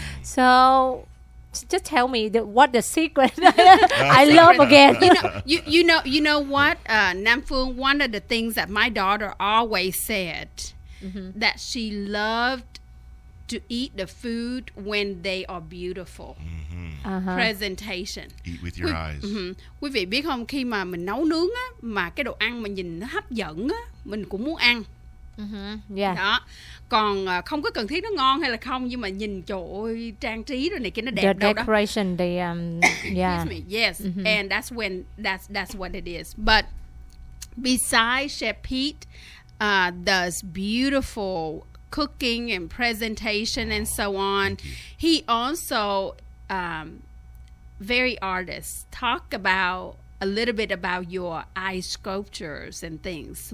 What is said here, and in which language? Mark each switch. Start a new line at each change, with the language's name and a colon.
English: So just tell me what the secret I love again. You know what, Nam Phuong, one of the things that my daughter always said, that she loved to eat the food when they are beautiful. Presentation. Eat with your eyes.
Vietnamese: Quý vị biết không, khi mà mình nấu nướng á, mà cái đồ ăn mình nhìn nó hấp dẫn á, mình cũng muốn ăn. Đó. Còn không có cần thiết nó ngon hay là không, nhưng mà nhìn chỗ trang trí rồi này kia nó đẹp đâu đó.
English: The decoration, the yes. And that's when that's what it is. But besides Chef Pete does beautiful cooking and presentation and so on, he also very artist. Talk about a little bit about your eye sculptures and things.